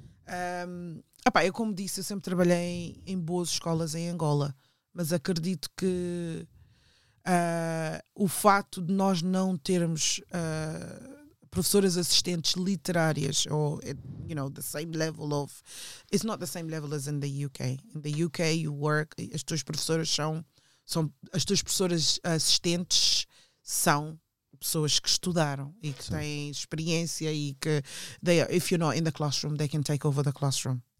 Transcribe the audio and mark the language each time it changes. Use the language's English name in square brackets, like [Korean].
[Portuguese] Eu como disse, eu sempre trabalhei em boas escolas em Angola, mas acredito que o fato de nós não termos professoras assistentes literárias ou, you know, [English] the same level of... It's not the same level as in the UK. In the UK, you work... [Portuguese] As tuas professoras são... As tuas professoras assistentes são pessoas que estudaram e que sim. têm experiência e que... [English] if you're not in the classroom, they can take over the classroom.